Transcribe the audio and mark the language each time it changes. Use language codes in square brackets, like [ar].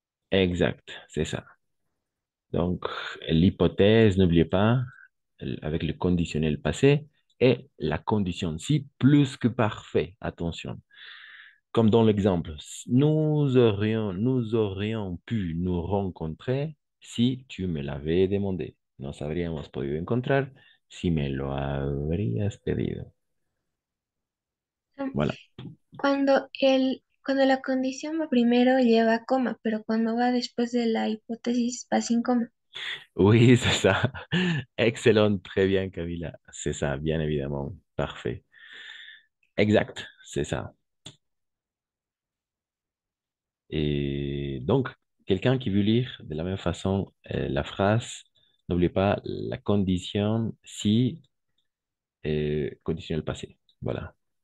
[fr] Exact, c'est ça. Donc, l'hypothèse, n'oubliez pas, avec le conditionnel passé, est la condition si plus que parfait. Attention. Comme dans l'exemple, nous aurions pu nous rencontrer si tu me l'avais demandé. [es] Nos habríamos podido encontrar si me lo habrías pedido. [fr] Voilà. [es] Cuando la condición va primero lleva coma, pero cuando va después de la hipótesis va sin coma. [fr] Oui, c'est ça. Excellent. Très bien, Camila. C'est ça, bien évidemment. Parfait. Exact. C'est ça. Et donc, quelqu'un qui veut lire de la même façon la phrase. N'oubliez pas la condition si et conditionnel passé. Voilà.